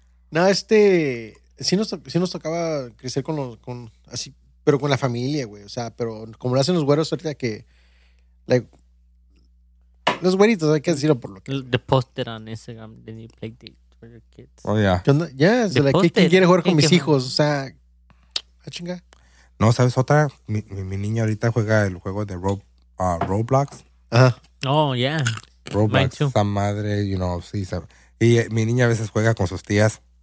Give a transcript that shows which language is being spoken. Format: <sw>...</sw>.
<es>No, sí nos tocaba crecer con así, pero con la familia, güey. O sea, pero como lo hacen los güeros ahorita que... Like, los güeritos, hay que decirlo por lo que...</es> <en>The posted on Instagram, the new play date for your kids. Oh, yeah.</en> <es>¿Qué onda?</es> <en>Yeah, so, like,</en> <es>¿quién quiere jugar con mis hijos? O sea, a chinga. No, ¿sabes otra? Mi niña ahorita juega el juego de Roblox.</es> <en>Oh, yeah.</en> <es>Roblox, esa madre,</es> <en>you know,</en> <es>sí. Y mi niña a veces juega con sus tías.</es>